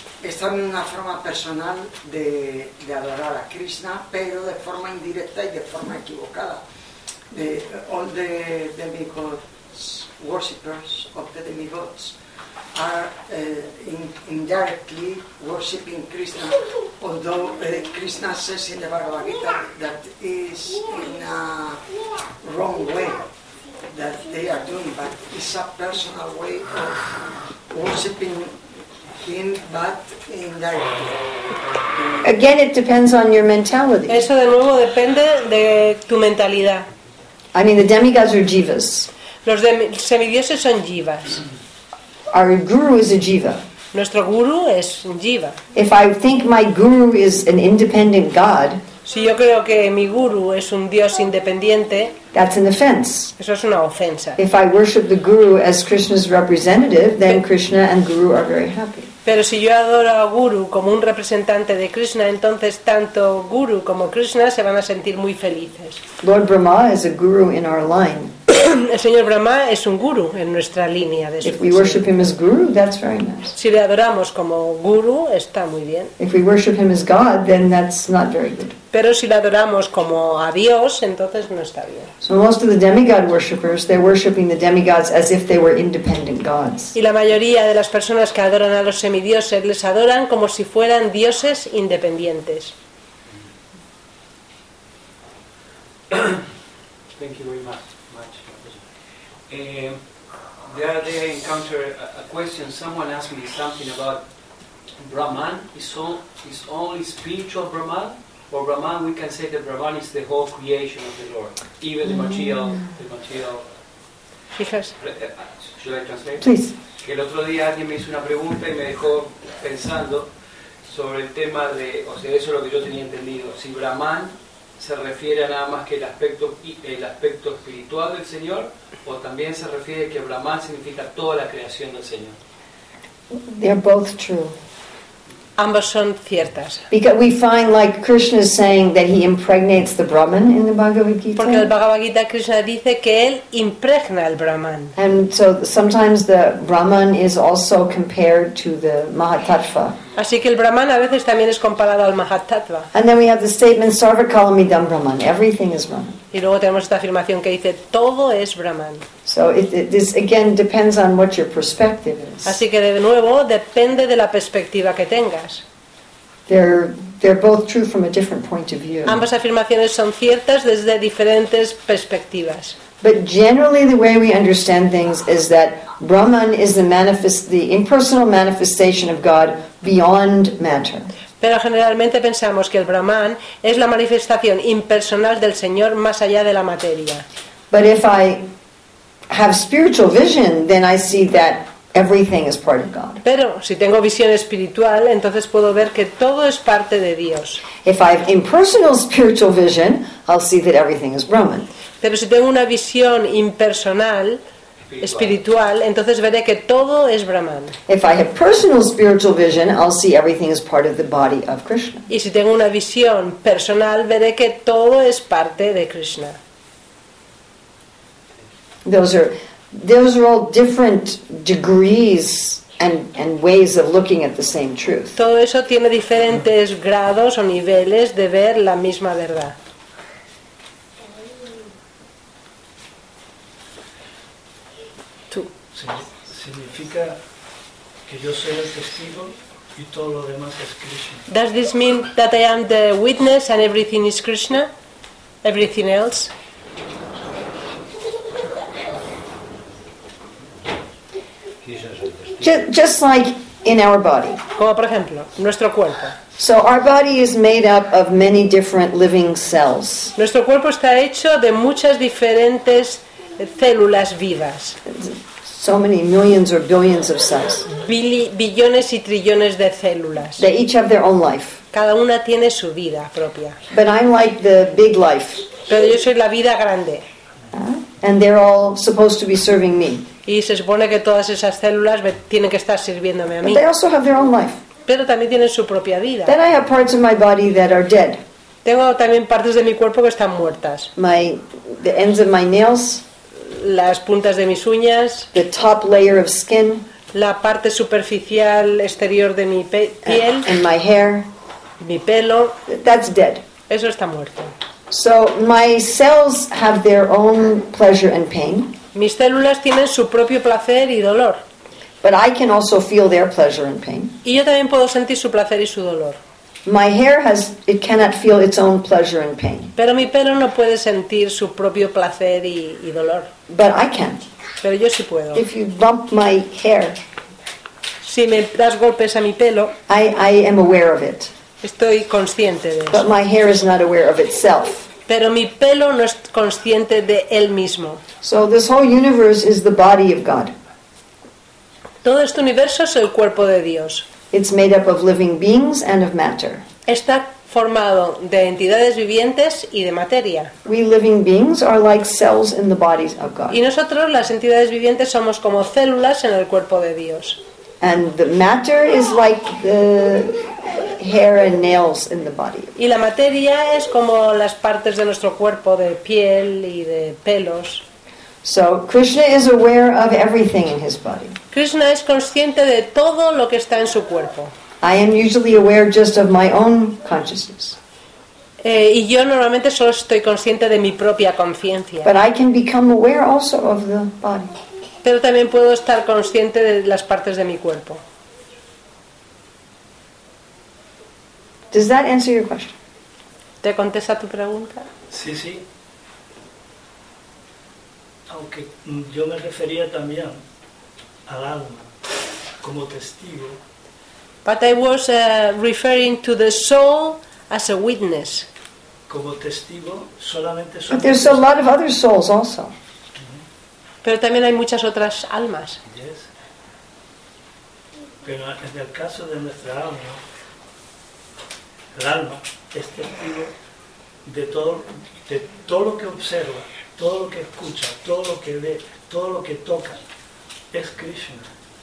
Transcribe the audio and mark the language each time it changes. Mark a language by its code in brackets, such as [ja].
[es] Es también una forma personal de adorar a Krishna, pero de forma indirecta y de forma equivocada. [en] All the demigods, worshippers of the demigods, are indirectly worshipping Krishna although Krishna says in the Bhagavad Gita that is in a wrong way that they are doing, but it's a personal way of worshipping him, but indirectly. Again, it depends on your mentality. [es] Eso de nuevo depende de tu mentalidad. [en] I mean, the demigods are jivas. [es] Los semidioses son jivas. [en] Our guru is a jiva. [es] Nuestro guru es un jiva. [en] If I think my guru is an independent god, [es] si yo creo que mi guru es un dios independiente, [en] that's an offense. [es] Eso es una ofensa. [en] If I worship the guru as Krishna's representative, then Krishna and guru are very happy. [es] Pero si yo adoro a guru como un representante de Krishna, entonces tanto guru como Krishna se van a sentir muy felices. [en] Lord Brahma is a guru in our line. [es] El señor Brahma es un guru en nuestra línea de [en] If we worship him as guru, that's very nice. [es] Si le adoramos como guru, está muy bien. [en] If we worship him as God, then that's not very good. [es] Pero si le adoramos como a Dios, entonces no está bien. [en] So most of the demigod worshippers, they're worshiping the demigods as if they were independent gods. [es] Y la mayoría de las personas que adoran a los semidioses les adoran como si fueran dioses independientes. [en] Thank you very much. The other day I encountered a question. Someone asked me something about Brahman. Is only spiritual Brahman, or Brahman? We can say that Brahman is the whole creation of the Lord, even the material. Should I translate? Please. [es] Que el otro día alguien me hizo una pregunta y me dejó pensando sobre el tema de, o sea, eso es lo que yo tenía entendido. Si Brahman se refiere a nada más que el aspecto espiritual del Señor, o también se refiere que Brahman significa toda la creación del Señor. [en] They're both true. [es] Ambas son ciertas. [en] Because we find like Krishna is saying that he impregnates the Brahman in the Bhagavad Gita. [es] Porque el Bhagavad Gita Krishna dice que él impregna el Brahman. [en] And so sometimes the Brahman is also compared to the Mahatattva. [es] Así que el Brahman a veces también es comparado al Mahatattva. [en] And then we have the statement [sa] Sarva Kalamidam Brahman. [en] Everything is Brahman. [es] Y luego tenemos esta afirmación que dice todo es Brahman. [en] So it this again depends on what your perspective is. [es] Así que de nuevo depende de la perspectiva que tengas. [en] They're both true from a different point of view. [es] Ambas afirmaciones son ciertas desde diferentes perspectivas. [en] But generally the way we understand things is that Brahman is the impersonal manifestation of God beyond matter. [es] Pero generalmente pensamos que el Brahman es la manifestación impersonal del Señor más allá de la materia. [en] But if I have spiritual vision, then I see that everything is part of God. [es] Pero si tengo visión espiritual, entonces puedo ver que todo es parte de Dios. [en] If I have impersonal spiritual vision, I'll see that everything is Brahman. [es] Pero si tengo una visión impersonal espiritual, entonces veré que todo es Brahman. [en] If I have personal spiritual vision, I'll see everything is part of the body of Krishna. [es] Y si tengo una visión personal, veré que todo es parte de Krishna. [en] Those are all different degrees and ways of looking at the same truth. [es] Todo eso tiene diferentes grados o niveles de ver la misma verdad. Significa que yo soy el testigo y todo lo demás es Krishna. [en] Does this mean that I am the witness and everything is Krishna? Everything else? Just like in our body. [es] Como por ejemplo, nuestro cuerpo. [en] So our body is made up of many different living cells. [es] Nuestro cuerpo está hecho de muchas diferentes células vivas. [en] So many millions or billions of cells. [es] Billones y trillones de células. [en] They each have their own life. [es] Cada una tiene su vida propia. [en] But I'm like the big life. [es] Pero yo soy la vida grande. [en] And they're all supposed to be serving me. [es] Y se supone que todas esas células tienen que estar sirviéndome a mí. [en] But they also have their own life. [es] Pero también tienen su propia vida. [en] Then I have parts of my body that are dead. [es] Tengo también partes de mi cuerpo que están muertas. [en] The ends of my nails. [es] Las puntas de mis uñas, [en] the top layer of skin, [es] la parte superficial exterior de mi piel, [en] and my hair, [es] mi pelo, [en] that's dead. [es] Eso está muerto. [en] So my cells have their own pleasure and pain. [es] Mis células tienen su propio placer y dolor. [en] But I can also feel their pleasure and pain. [es] Y yo también puedo sentir su placer y su dolor. [en] My hair has, it cannot feel its own pleasure and pain. [es] Pero mi pelo no puede sentir su propio placer y dolor. [en] But I can. [es] Pero yo sí puedo. [en] If you bump my hair, [es] si me das golpes a mi pelo, [en] I am aware of it. [es] Estoy consciente de eso. [en] But my hair is not aware of itself. [es] Pero mi pelo no es consciente de él mismo. [en] So this whole universe is the body of God. [es] Todo este universo es el cuerpo de Dios. [en] It's made up of living beings and of matter. [es] Está formado de entidades vivientes y de materia. [en] We living beings are like cells in the bodies of God. [es] Y nosotros, las entidades vivientes, somos como células en el cuerpo de Dios. [en] And the matter is like the hair and nails in the body. [es] Y la materia es como las partes de nuestro cuerpo, de piel y de pelos. [en] So Krishna is aware of everything in his body. [es] Krishna es consciente de todo lo que está en su cuerpo. [en] I am usually aware just of my own consciousness. [es] Y yo normalmente solo estoy consciente de mi propia conciencia. [en] But I can become aware also of the body. [es] Pero también puedo estar consciente de las partes de mi cuerpo. [en] Does that answer your question? [es] ¿Te contesta tu pregunta? Sí, sí. Aunque yo me refería también al alma como testigo. [en] But I was referring to the soul as a witness. [es] Como testigo solamente. [en] But there's a lot of other souls also. [es] Pero también hay muchas otras almas. [en] Yes. [es] Pero en el caso de nuestra alma, el alma es testigo de todo lo que observa, todo lo que escucha, todo lo que ve, todo lo que toca, es Krishna.